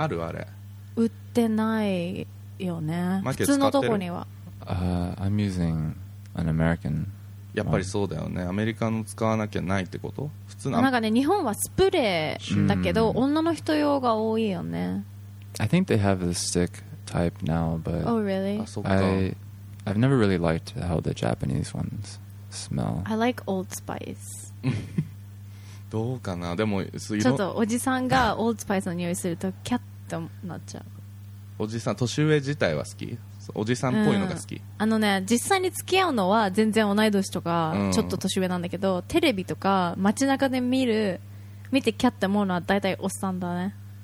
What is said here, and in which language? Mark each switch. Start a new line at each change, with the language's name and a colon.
Japanese: あるあれ売ってないよね、普通のとこには、
English: I'm using an American
Japanese: やっぱりそうだよね、アメリカの使わなきゃないってこと、普通のなんかね日本はスプレーだけど、うん、女の人用が多いよね、
English: I think they have the stick type now but oh really I've never really liked how the Japanese ones smell, I like old spice
Japanese: どうかな、でもちょっとおじさんがオールスパイスの匂いするとキャッとなっちゃう、おじさん年上自体は好き、おじさんっぽいのが好き、うん、あのね実際に付き合うのは全然同い年とかちょっと年上なんだけど、うん、テレビとか街中で見てキャって思うのは大体おっさんだね、